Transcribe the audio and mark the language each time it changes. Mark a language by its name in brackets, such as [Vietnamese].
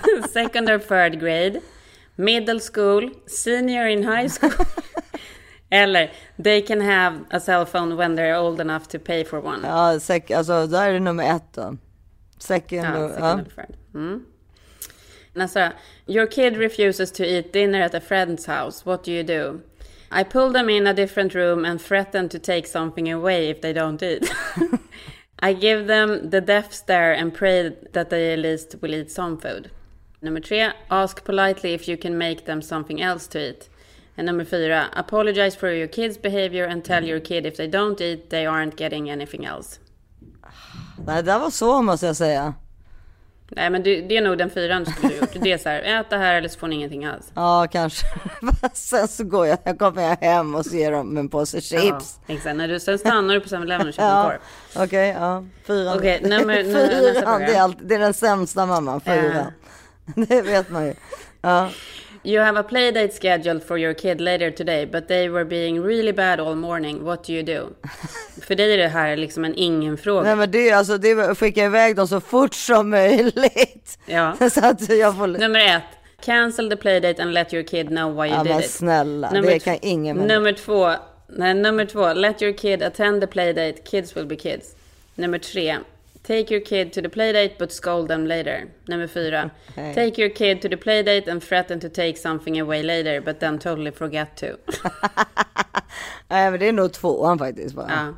[English] Second or third grade? Middle school? Senior in high school? Eller they can have a cell phone when they're old enough to pay for one. [Swedish] Ja, alltså där är det nummer 1 då. [English] Second or third. Nästa. Your kid refuses to eat dinner at a friend's house. What do you do? I pull them in a different room and threaten to take something away if they don't eat. I give them the death stare and pray that they at least will eat some food. [Swedish] Nummer 3, [English] ask politely if you can make them something else to eat. And [Swedish] nummer 4, [English] apologize for your kid's behavior and tell your kid if they don't eat, they aren't getting anything else. [Swedish] Nej, det var så måste jag säga. Nej, men det är nog den 4:an som du har gjort. Det är så här, äta här eller så får ni ingenting alls. Ja, kanske. Sen så går jag kommer jag hem och ser dem med en påse chips. Ja, exakt. När du sen stannar du på 7-Eleven och köper en korv. Okej, ja. 4:an. Okej, nummer 4:an, det är allt. Det är den sämsta mamman, 4:an. Det vet man ju. Ja. [English] You have a playdate scheduled for your kid later today, but they were being really bad all morning. What do you do? [Swedish] För dig är det här liksom en ingen fråga. Nej, men det är alltså det är att skicka iväg dem så fort som möjligt. Ja. Så att jag får... Nummer 1. [English] Cancel the playdate and let your kid know why you did it. [Swedish] Ja, men snälla. Det kan ingen med. Nummer 2. [English] Let your kid attend the playdate. Kids will be kids. [Swedish] Nummer 3. [English] Take your kid to the playdate but scold them later. [Swedish] Nummer 4. [English] Okay. Take your kid to the playdate and threaten to take something away later but then totally forget to. [Swedish] Nej, men det är nog 2:an faktiskt bara.